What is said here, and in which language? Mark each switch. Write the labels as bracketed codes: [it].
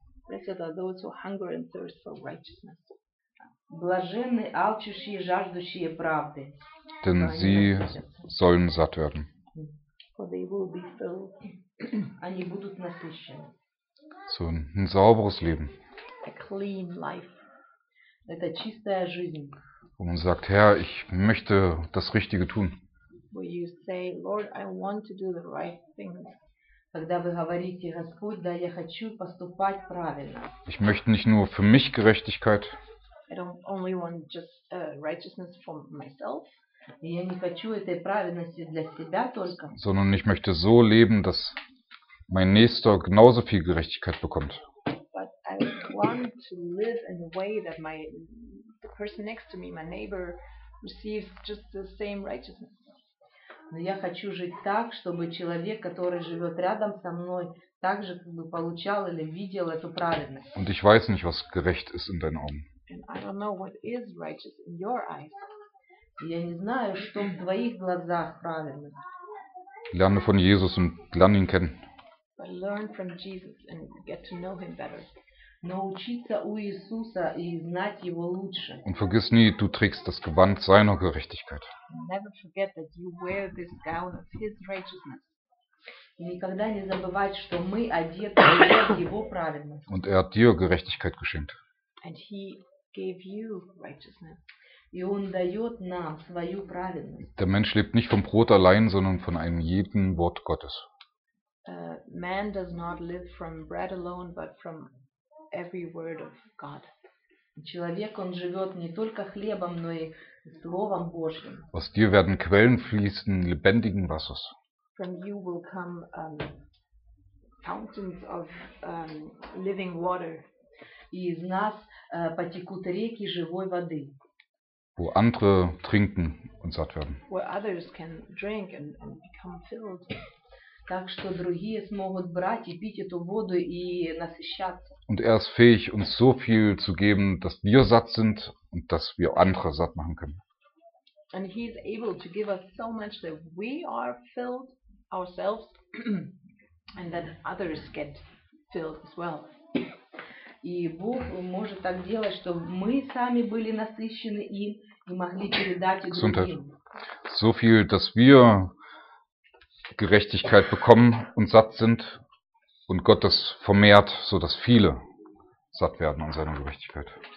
[en] Blessed are those who hunger and thirst for righteousness. [ru] Блаженны алчущие, жаждущие правды. [de] Denn sie sollen satt werden. [en] For they will be filled. [ru] Они будут насыщены. [de] So, ein sauberes Leben. [en] A clean life. [ru] Это чистая жизнь. [de] Wo man sagt, Herr, ich möchte das Richtige tun. [en] Where you say, Lord, I want to do the right thing. [ru] Когда вы говорите, Господь, да, я хочу поступать правильно. [de] Ich möchte nicht nur für mich Gerechtigkeit. [en] I don't only want just righteousness for myself. [ru] Я не хочу этой праведности для себя только. [de] Sondern ich möchte so leben, dass mein Nächster genauso viel Gerechtigkeit bekommt. [en] But I want to live in a way that my the person next to me, my neighbor, receives just the same righteousness. [ru] Но я хочу жить так, чтобы человек, который живет рядом со мной, также как бы получал или видел эту праведность. [de] Und ich weiß nicht, was gerecht ist in deinen Augen. [en] And I don't know what is righteous in your eyes. [ru] Я не знаю, что в твоих глазах правильно. [de] Lerne von Jesus und lerne ihn kennen. [en] But learn from Jesus and get to know him better. [ru] Научиться у Иисуса и знать его лучше. [de] Und vergiss nie, du trägst das Gewand seiner Gerechtigkeit. [en] Never forget that you wear this gown of his righteousness. [ru] И никогда не забывать, что мы одеты его праведностью. [de] Und er hat dir Gerechtigkeit geschenkt. [en] And he gave you righteousness. [ru] И он дает нам свою праведность. [de] Der Mensch lebt nicht vom Brot allein, sondern von einem jeden Wort Gottes. [en] Man does not live from bread alone, but from every word of God. [ru] Человек, он живет не только хлебом, но и словом Божьим. [de] Aus dir werden Quellen fließen lebendigen Wassers. [en] From you will come fountains of living water. [ru] И из нас потекут реки живой воды. [de] Wo andere trinken und satt werden. [en] Where others can drink and become filled. [ru] Так что другие смогут брать и пить эту воду и насыщаться. [de] Und er ist fähig, uns so viel zu geben, dass wir satt sind und dass wir andere satt machen können. [en] And he is able to give us so much that we are filled ourselves and that others get filled as well. [ru] И Бог может так делать, чтобы мы сами были насыщены им и могли передать их другим. [de] So viel, dass wir Gerechtigkeit bekommen und satt sind und Gott das vermehrt, so dass viele satt werden an seiner Gerechtigkeit.